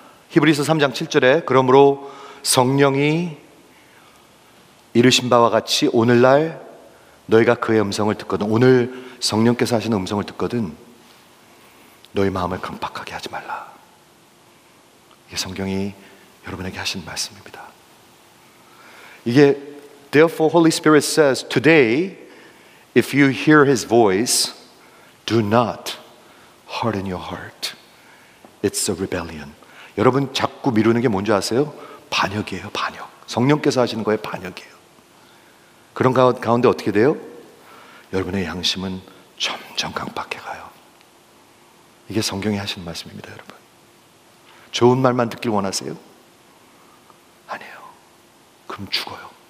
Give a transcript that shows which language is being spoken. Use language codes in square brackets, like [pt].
[ko] 히브리서 3장 7절에 그러므로 성령이 이르신 바와 같이 오늘날 너희가 그의 음성을 듣거든, 오늘 성령께서 하시는 음성을 듣거든 너희 마음을 강박하게 하지 말라. 이게 성경이 여러분에게 하신 말씀입니다. 이게 [en] Therefore Holy Spirit says today if you hear his voice do not harden your heart. It's a rebellion. [ko] 여러분 자꾸 미루는 게 뭔지 아세요? 반역이에요. 반역. 성령께서 하시는 거에 반역이에요. 그 그런 가운데 어떻게 돼요? 여러분의 양심은 점점 강박해가요. 이게 성경이 하시는 말씀입니다, 여러분. 좋은 말만 듣길 원하세요? 아니에요. 그럼 죽어요.